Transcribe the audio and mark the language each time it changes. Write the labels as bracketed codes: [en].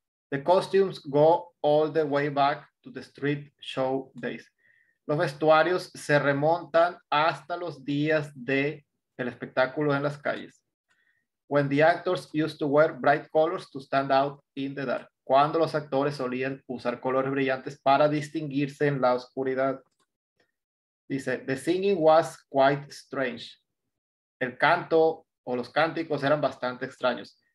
[en] The costumes go all the way back to the street show days. [es] Los vestuarios se remontan hasta los días del espectáculo en las calles. [en] When the actors used to wear bright colors to stand out in the dark. [es] Cuando los actores solían usar colores brillantes para distinguirse en la oscuridad. Dice, [en] the singing was quite strange. [es] El canto o los cánticos eran bastante extraños.